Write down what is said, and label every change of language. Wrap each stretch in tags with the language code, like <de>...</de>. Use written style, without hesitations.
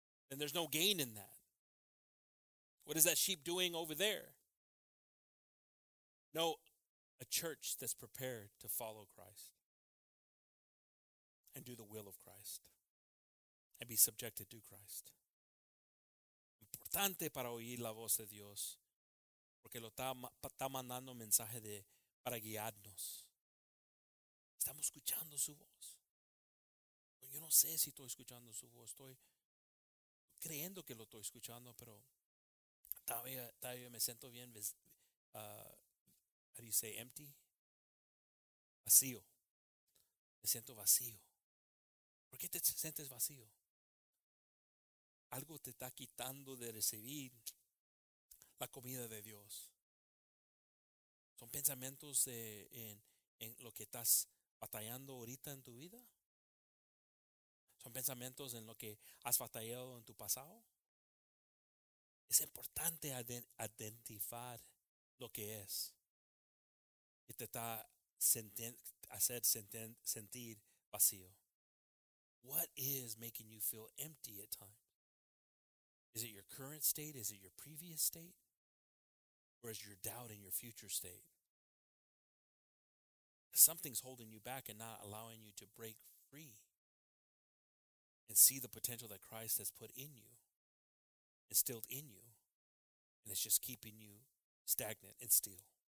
<en>And there's no gain in that. What is that sheep doing over there? No, a church that's prepared to follow Christ and do the will of Christ and be subjected to Christ.</en> <es>Importante para oír la voz de Dios, porque lo está mandando mensaje de para guiarnos. Estamos escuchando su voz. Yo no sé si estoy escuchando su voz. Estoy creyendo que lo estoy escuchando, pero todavía me siento bien,</es> <en>how do you say, empty?</en> <es>Vacío. Me siento vacío. ¿Por qué te sientes vacío? Algo te está quitando de recibir la comida de Dios. ¿Son pensamientos en lo que estás batallando ahorita en tu vida? ¿Son pensamientos en lo que has batallado en tu pasado? Es importante identificar lo que es que te está sentir vacío.</es> <en>What is making you feel empty at times? Is it your current state? Is it your previous state? Or is your doubt in your future state? Something's holding you back and not allowing you to break free and see the potential that Christ has put in you, instilled in you, and it's just keeping you stagnant and still.</en>